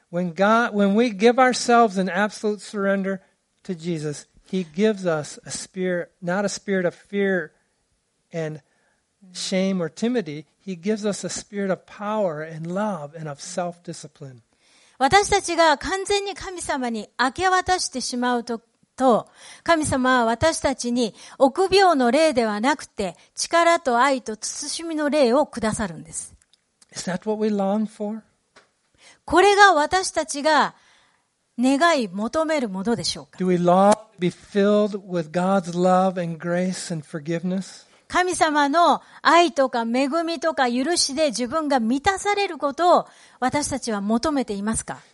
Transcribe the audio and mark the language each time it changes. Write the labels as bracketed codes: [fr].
[en] When we give ourselves an absolute surrender to Jesus, He gives us a spirit, not a spirit of fear and shame or timidity. He gives us a spirit of power and love and of self-discipline. [ja] 私たちが完全に神様に明け渡してしまうと、神様は私たちに臆病の霊ではなくて、力と愛と慎みの霊をくださるんです。 [en] Is that what we long for? [ja] これが私たちが願い求めるものでしょうか? [en] Do we long to be filled with God's love and grace and forgiveness? [ja] 神様の愛とか恵みとか許しで自分が満たされることを私たちは求めていますか?